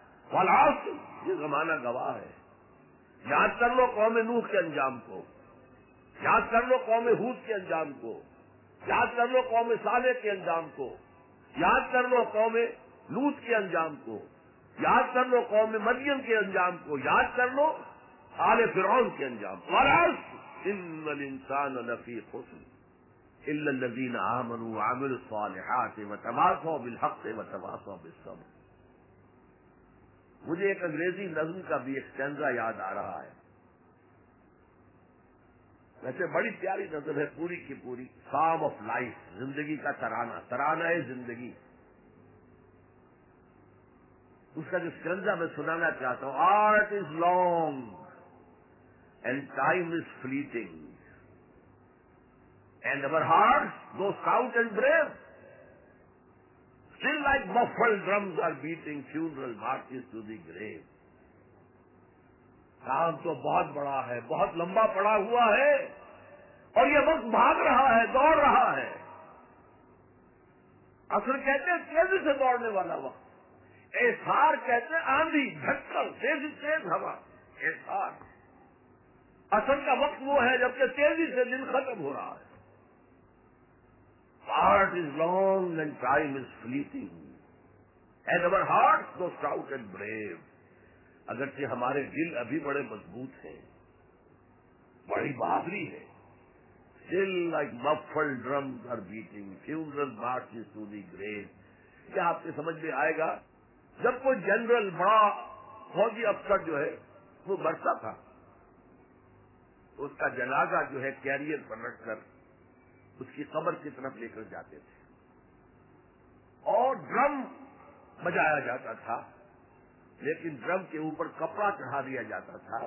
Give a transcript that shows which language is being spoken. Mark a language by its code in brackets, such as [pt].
[ur] والعصر یہ زمانہ گواہ ہے. یاد کر لو قوم نوح کے انجام کو، یاد کر لو قوم ہود کے انجام کو، یاد کر لو قوم صالح کے انجام کو، یاد کر لو قوم لوط کے انجام کو، یاد کر لو قوم مدین کے انجام کو، یاد کر لو آل فرعون کے انجام کو. [ar] والعصر ان الانسان لفی خسر الا الذین آمنوا وعملوا الصالحات وتواصوا بالحق وتواصوا بالصبر. [ur] مجھے ایک انگریزی نظم کا بھی ایک سٹینزا یاد آ رہا ہے، ویسے بڑی پیاری نظم ہے پوری کی پوری، سام آف لائف، زندگی کا ترانہ، ترانہ ہے زندگی. اس کا جو سٹینزا میں سنانا چاہتا ہوں، [en] Art is long and time is fleeting and our hearts though stout and brave Still like muffled drums are beating funeral marches to the grave. [ur] کام تو بہت بڑا ہے، بہت لمبا پڑا ہوا ہے، اور یہ وقت بھاگ رہا ہے، دوڑ رہا ہے. اصل کہتے ہیں تیزی سے دوڑنے والا وقت، احسار کہتے ہیں آندھی جھکڑ، تیزی تیز ہوا، احسار. اصل کا وقت وہ ہے جبکہ تیزی سے دن ختم ہو رہا ہے. [en] Heart is long and time is fleeting. And our hearts go stout and brave. [ur] اگرچہ ہمارے دل ابھی بڑے مضبوط ہیں، بڑی بہادری ہے. [en] Still like muffled drums are beating funeral marches to the grave. [ur] کیا آپ کے سمجھ میں آئے گا؟ جب کوئی جنرل بڑا فوجی افسر جو ہے وہ مرتا تھا، اس کا جنازہ جو ہے کیریئر پر رکھ کر اس کی قبر کی طرف لے کر جاتے تھے، اور ڈرم بجایا جاتا تھا، لیکن ڈرم کے اوپر کپڑا چڑھا دیا جاتا تھا.